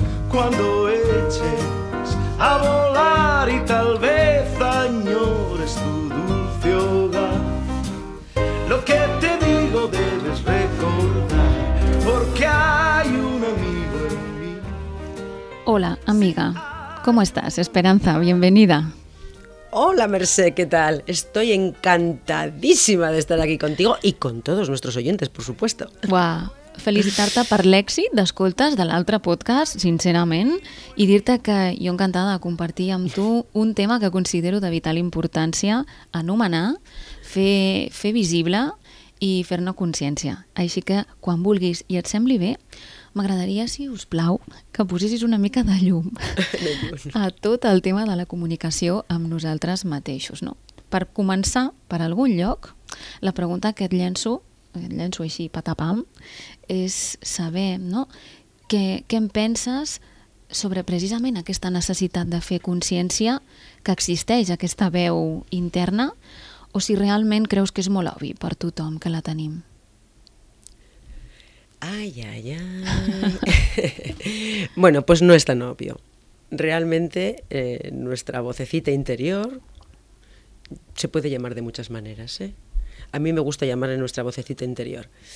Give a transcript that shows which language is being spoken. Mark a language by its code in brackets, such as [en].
[es] Cuando eches a volar y tal vez añores tu dulce hogar, lo que te digo debes recordar, porque hay un amigo en mí. Hola, amiga. ¿Cómo estás, Esperanza? Bienvenida. Hola, Mercé, ¿qué tal? Estoy encantadísima de estar aquí contigo y con todos nuestros oyentes, por supuesto. ¡Guau! Wow. [ca] Felicitar-te per l'èxit d'escoltes de l'altre podcast, sincerament, i dir-te que jo encantada de compartir amb tu un tema que considero de vital importància, anomenar, fer visible i fer-ne consciència. Així que, quan vulguis i et sembli bé, m'agradaria, si us plau, que posessis una mica de llum a tot el tema de la comunicació amb nosaltres mateixos. No? Per començar, per algun lloc, la pregunta que et llenço així patapam, és saber, no?, què en penses sobre precisament aquesta necessitat de fer consciència que existeix aquesta veu interna, o si realment creus que és molt obvi per tothom que la tenim? Ai, ai, ai. [es] Bueno, pues no es tan obvio. Realmente nuestra vocecita interior se puede llamar de muchas maneras, ¿eh? A mí me gusta llamarle nuestra vocecita interior.